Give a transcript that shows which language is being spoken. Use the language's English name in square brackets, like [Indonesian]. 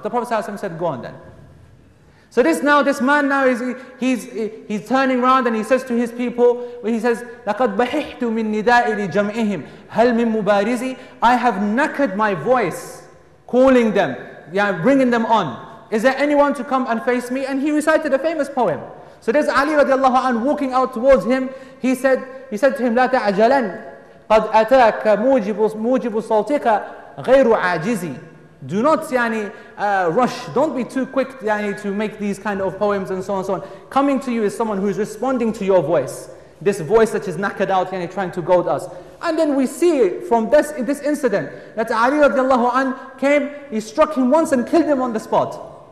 [English] The Prophet ﷺ said, go on then. So this man now he's turning around, and he says to his people, he says, [Arabic] لَقَدْ بَحِحْتُ مِن نِدَاءِ لِجَمْئِهِمْ هَلْ مِن مُبَارِزِي. [English] I have knackered my voice, calling them, yeah, bringing them on. Is there anyone to come and face me? And he recited a famous poem. So there's Ali radiallahu anhu walking out towards him. He said to him, [Arabic] لَا تَعْجَلَنْ قَدْ أَتَاكَ مُوجِبُ صَوْتِكَ غَيْرُ عَاجِزِي. [English] Do not yani, rush. Don't be too quick yani, to make these kind of poems and so on and so on. Coming to you is someone who is responding to your voice. This voice that is knackered out yani, trying to goad us. And then we see from this incident that Ali radiallahu anhu came, he struck him once and killed him on the spot.